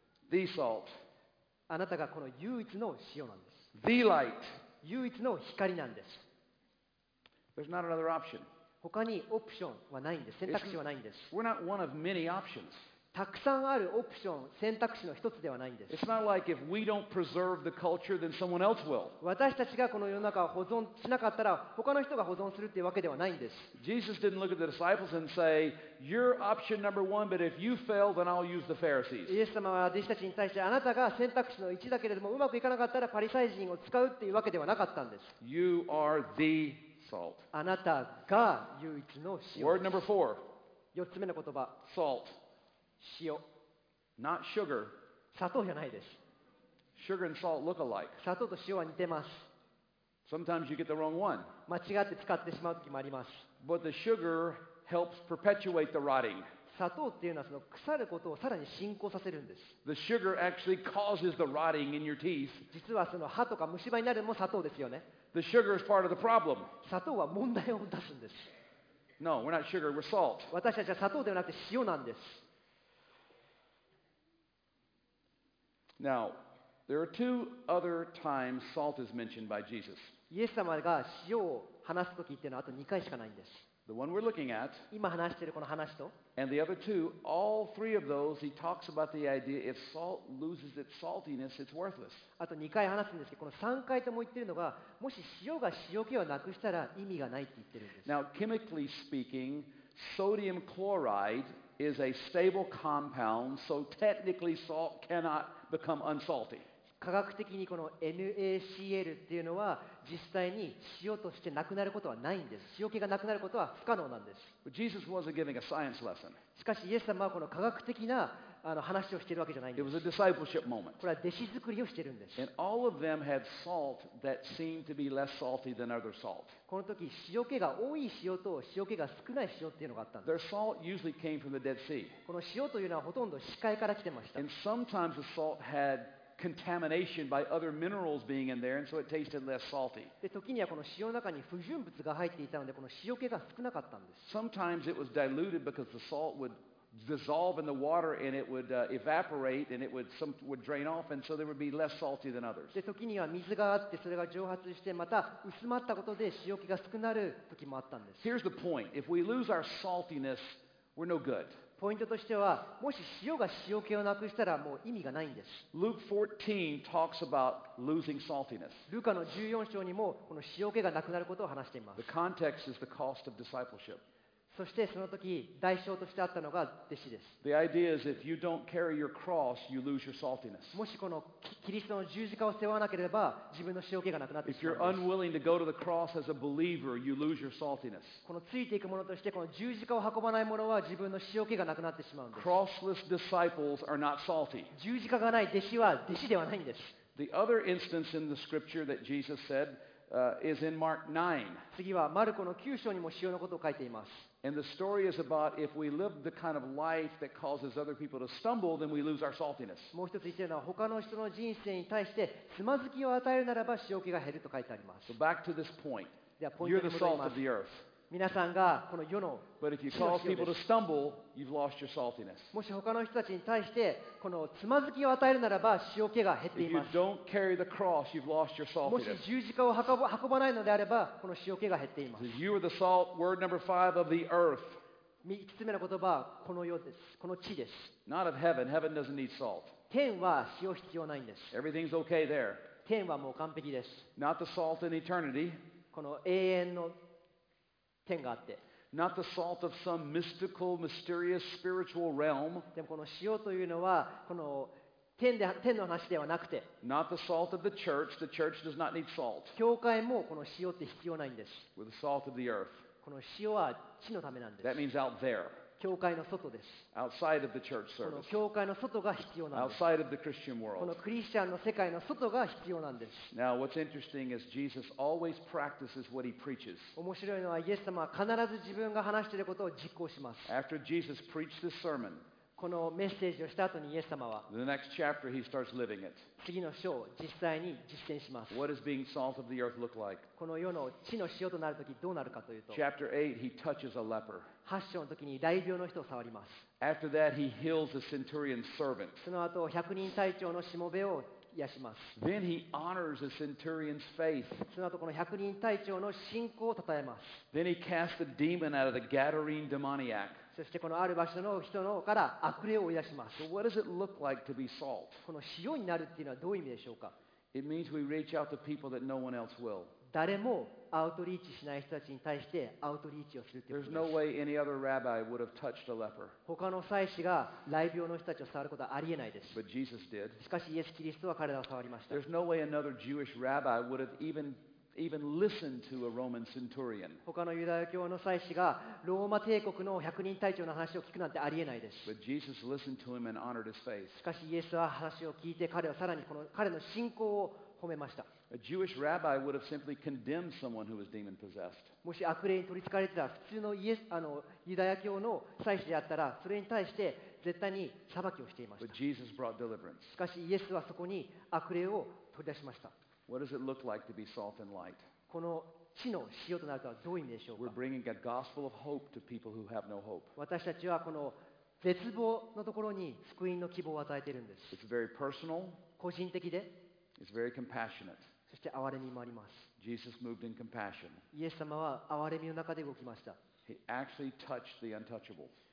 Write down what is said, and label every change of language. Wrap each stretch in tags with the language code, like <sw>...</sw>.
<en>The salt.</en> <ja>あなたがこの唯一の塩なんです。</ja> <en>The light.</en> <ja>唯一の光なんです。</ja> <en>There's not another option.</en> <ja>他にオプションはないんです。選択肢はないんです。</ja> <en>We're not one of many options.</en> <ja>たくさんあるオプション、選択肢の一つではないんです。</ja> <en>It's not like if we don't preserve the culture, then someone else will.</en> <ja>私たちがこの世の中を保存しなかったら、他の人が保存するっていうわけではないんです。</ja> <en>Jesus didn't look at the disciples and say, "You're option number one, but if you fail, then I'll use the Pharisees."</en> <ja>イエス様は弟子たちに対して、あなたが選択肢の1だけれども、うまくいかなかったらパリサイ人を使うっていうわけではなかったんです。</ja> <en>You are the salt.</en> <ja>あなたが唯一の塩。</ja> <en>Word number four.</en> <ja>四つ目の言葉。</ja> <en>Salt.</en> <ja>塩。</ja> <en>Not sugar.</en> <ja>砂糖じゃないです。</ja> <en>Sugar and salt look alike.</en> <ja>砂糖と塩は似てます。</ja> <en>Sometimes you get the wrong one.</en> <ja>間違って使ってしまう時もあります。</ja> <en>But the sugar helps perpetuate the rotting.</en> <ja>砂糖っていうのはその腐ることをさらに進行させるんです。</ja> <en>The sugar actually causes the rotting in your teeth.</en> <ja>実はその歯とか虫歯になるのも砂糖ですよね。</ja> <en>The sugar is part of the problem.</en> <ja>砂糖は問題を出すんです。</ja> <en>No, we're not sugar, we're salt.</en> <ja>私たちは砂糖ではなくて塩なんです。</ja> <en>Now, there are two other times salt is mentioned by Jesus.</en> <ja>イエス様が塩を話すときっていうのはあと2回しかないんです。</ja> <en>The one we're looking at,</en> <ja>今話しているこの話と、</ja> <en>and the other two, all three of those, he talks about the idea if salt loses its saltiness, it's worthless.</en> <ja>あと2回話すんですけど、この3回とも言ってるのが、もし塩が塩気をなくしたら意味がないって言ってるんです。</ja> <en>Now, chemically speaking, sodium chloride is a stable compound, so technically salt cannot become unsalty.</en> <ja>科学的にこの NaCl っていうのは実際に塩としてなくなることはないんです。塩気がなくなることは不可能なんです。</ja> <en>But Jesus wasn't giving a science lesson.</en> <ja>しかしイエス様はこの科学的な話をしているわけじゃないんです。</ja> <en>It was a discipleship moment.</en> <ja>これは弟子作りをしているんです。</ja> <en>And all of them had salt that seemed to be less salty than other salt.</en> <ja>この時塩気が多い塩と塩気が少ない塩っていうのがあったんです。</ja> <en>Their salt usually came from the Dead Sea.</en> <ja>この塩というのはほとんど死海から来てました。</ja> <en>And sometimes the salt had contamination by other minerals being in there, and so it tasted less salty.</en> <ja>で、時にはこの塩の中に不純物が入っていたので、この塩気が少なかったんです。</ja> <en>Sometimes it was diluted because the salt would dissolve in the water and it would evaporate and it would some would drain off, and so there would be less salty than others.</en> <ja>で、時には水があってそれが蒸発してまた薄まったことで塩気が少なる時もあったんです。</ja> <en>Here's the point: if we lose our saltiness, we're no good.</en> <ja>ポイントとしては、もし塩が塩気をなくしたらもう意味がないんです。</ja> <en>Luke 14 talks about losing saltiness.</en> <ja>ルカの14章にもこの塩気がなくなることを話しています。</ja> <en>The context is the cost of discipleship.</en> <ja>そしてその時、代償としてあったのが弟子です。</ja> <en>The idea is if you don't carry your cross, you lose your saltiness.</en> <ja>もしこのキリストの十字架を背負わなければ、自分の塩気がなくなってしまう。</ja> <en>If you're unwilling to go to the cross as a believer, you lose your saltiness.</en> <ja>このついていく者としてこの十字架を運ばない者は自分の塩気がなくなってしまうんです。</ja> <en>Crossless disciples are not salty.</en> <ja>十字架がない弟子は弟子ではないんです。</ja> <en>The other instance in the scripture that Jesus said,is in Mark 9.</en> <ja>次はマルコの9章にも塩のことを書いています。</ja> <en>And the story is about if we live the kind of life that causes other people to stumble, then we lose our saltiness.</en> <ja>もう一つ言っているのは、他の人の人生に対してつまずきを与えるならば塩気が減ると書いてあります。</ja> <en>So back to this point.</en> <ja>ではポイントに戻ります。</ja> <en>You're the salt of the earth.</en> <ja>皆さんがこの世の塩です。</ja> <en>But if you cause people to stumble, you've lost your saltiness.</en> <ja>もし他の人たちに対してこのつまずきを与えるならば塩気が減っています。</ja> <en>If you don't carry the cross, you've lost your saltiness.</en> <ja>もし十字架を運ばないのであればこの塩気が減っています。</ja> <en>So you are the salt, word number five of the earth.</en> <ja>三つ目の言葉はこの世です。この地です。</ja> <en>Not of heaven. Heaven doesn't need salt.</en> <ja>天は塩必要ないんです。</ja> <en>Everything's okay there.</en> <ja>天はもう完璧です。</ja> <en>Not the salt in eternity.</en> <ja>この永遠の天があって。</ja> <en>Not the salt of some mystical, mysterious, spiritual realm.</en> <ja>でもこの塩というのはこの天の話ではなくて。</ja> <en>Not the salt of the church. The church does not need salt.</en> <ja>教会もこの塩って必要ないんです。</ja> <en>With the salt of the earth.</en> <ja>この塩は地のためなんです。</ja> <en>That means out there.</en> <ja>教会の外です。</ja> <en>Outside of the church service.</en> <ja>この教会の外が必要なんです。</ja> <en>Outside of the Christian world.</en> <ja>このクリスチャンの世界の外が必要なんです。</ja> <en>Now, what's interesting is Jesus always practices what he preaches.</en> <ja>面白いのはイエス様は必ず自分が話していることを実行します。</ja> <en>After Jesus preached this sermon.</en> <ja>このメッセージをした後にイエス様は</ja> <en>The next chapter, he starts living it.</en> <ja>次の章を実際に実践します。</ja> <en>What is being salt of the earth look like?</en> <ja>この世の地の塩となるときどうなるかというと</ja> <en>Chapter 8, he touches a leper.</en> <ja>8章のときに雷病の人を触ります。</ja> <en>After that, he heals a centurion's servant.</en> <ja>その後、百人隊長のしもべを癒します。</ja> <en>Then he honors a centurion's faith.</en> <ja>その後、この百人隊長の信仰を称えます。</ja> <en>Then he casts a demon out of the Gadarene demoniac.</en> <ja>そしてこのある場所の人のから悪霊を追い出します。</ja> <en>So what does it look like to be salt?</en> <ja>この塩になるっていうのはどういう意味でしょうか?</ja> <en>It means we reach out to people that no one else will.</en> <ja>誰もアウトリーチしない人たちに対してアウトリーチをするということです。</ja> <en>There's no way any other rabbi would have touched a leper.</en> <ja>他の祭司が雷病の人たちを触ることはありえないです。</ja> <en>But Jesus did.</en> <ja>しかしイエス・キリストは彼らを触りました。</ja> <en>There's no way another Jewish rabbi would have even listen to a Roman centurion.</en> <ja>他のユダヤ教の祭司がローマ帝国の百人隊長の話を聞くなんてありえないです。</ja> <en>But Jesus listened to him and honored his faith.</en> <ja>しかしイエスは話を聞いて彼はさらにこの彼の信仰を褒めました。</ja> <en>A Jewish rabbi would have simply condemned someone who was demon possessed.</en> <ja>もし悪霊に取り憑かれてた普通のユダヤ教の祭司であったらそれに対して絶対に裁きをしていました。</ja> <en>But Jesus brought deliverance.</en> <ja>しかしイエスはそこに悪霊を取り出しました。</ja> <en>What does it look like to be salt and light?</en> <ja>この地の塩となるとはどういう意味でしょうか?</ja> <en>We're bringing a gospel of hope to people who have no hope.</en> <ja>私たちはこの絶望のところに救いの希望を与えているんです。</ja> <en>It's very personal.</en> <ja>個人的で。</ja> <en>It's very compassionate.</en> <ja>そして憐れみもあります。</ja> <en>Jesus moved in compassion.</en> <ja>イエス様は憐れみの中で動きました。</ja> <en>He actually touched the untouchable.</en>